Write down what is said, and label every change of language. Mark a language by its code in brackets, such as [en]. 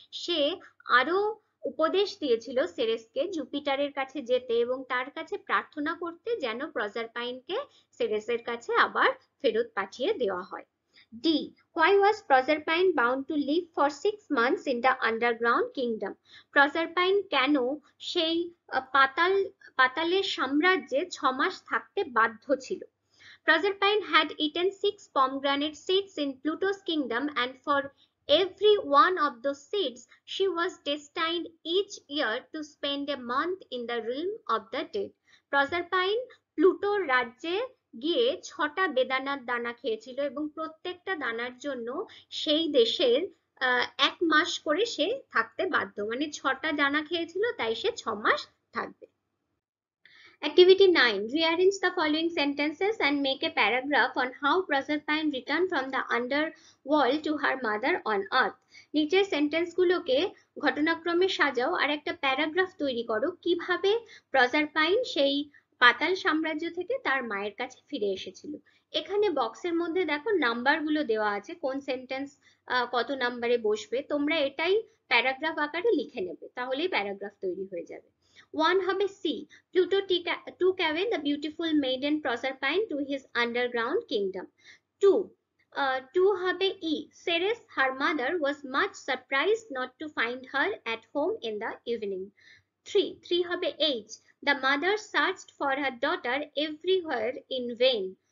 [bn] সে আরো উপদেশ দিয়েছিল সেরেসকে জুপিটারের কাছে যেতে এবং তার কাছে প্রার্থনা করতে যেন প্রজারপাইনকে সেরেসের কাছে আবার ফেরত পাঠিয়ে দেওয়া হয়। [en] D, why was Proserpine bound to live for 6 months in the underground kingdom? [bn] প্রজারপাইন কেন সেই পাতালের সাম্রাজ্যে 6 মাস থাকতে বাধ্য ছিল? [en] Proserpine had eaten 6 pomegranate seeds in Pluto's kingdom, and for every one of those seeds, she was destined each year to spend a month in the realm of the dead. [bn] Proserpine Pluto's রাজ্যে গিয়ে 6টা বেদানার দানা খেয়েছিল এবং প্রত্যেকটা দানার জন্য সেই দেশের 1 মাস করে সে থাকতে বাধ্য। মানে 6টা দানা খেয়েছিল, তাই সে 6 মাস থাকবে। Activity 9. [en] Rearrange the following sentences and make a paragraph on how Proserpine returned from the underworld to her mother on earth. [bn] নিচের সেন্টেন্স গুলোকে ঘটনাক্রমে সাজাও আর একটা প্যারাগ্রাফ তৈরি করো কিভাবে প্রজারপাইন সেই পাতাল সাম্রাজ্য থেকে তার মায়ের কাছে ফিরে এসেছিল। এখানে বক্সের মধ্যে দেখো নাম্বার গুলো দেওয়া আছে, কোন সেন্টেন্স কত নাম্বারে বসবে, তোমরা এটাই প্যারাগ্রাফ আকারে লিখে নেবে, তাহলেই প্যারাগ্রাফ তৈরি হয়ে যাবে। [en] One হবে C, Pluto took away the beautiful maiden Proserpine to his underground kingdom. Two হবে E, Ceres, her mother, was much surprised not to find her at home in the evening. Three হবে H, the mother searched for her daughter everywhere in vain.